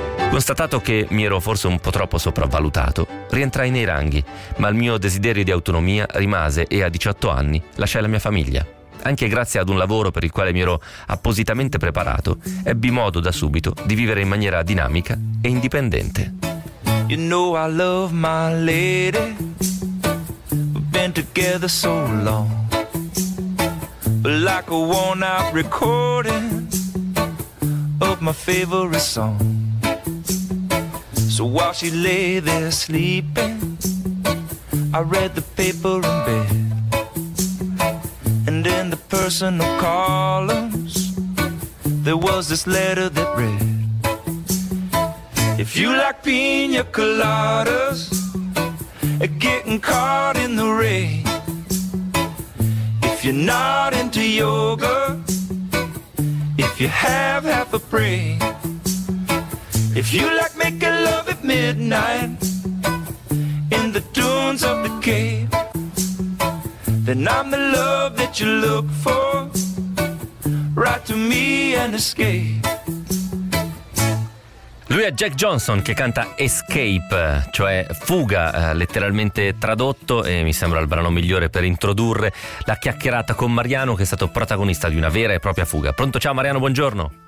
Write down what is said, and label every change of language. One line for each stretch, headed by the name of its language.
Italian: Constatato che mi ero forse un po' troppo sopravvalutato, rientrai nei ranghi, ma il mio desiderio di autonomia rimase e a 18 anni lasciai la mia famiglia. Anche grazie ad un lavoro per il quale mi ero appositamente preparato, ebbi modo da subito di vivere in maniera dinamica e indipendente.
English: You know I love my lady, we've been together so long, but like a worn out recording of my favorite song. So while she lay there sleeping, I read the paper in bed. And in the personal columns, there was this letter that read, if you like piña coladas, getting caught in the rain, if you're not into yoga, if you have half a brain, if you like making love at midnight, in the dunes of the cave, then I'm the love that you look for. Write to me and escape.
Italian: Lui è Jack Johnson che canta Escape, cioè fuga, letteralmente tradotto, e mi sembra il brano migliore per introdurre la chiacchierata con Mariano, che è stato protagonista di una vera e propria fuga. Pronto, ciao Mariano, buongiorno.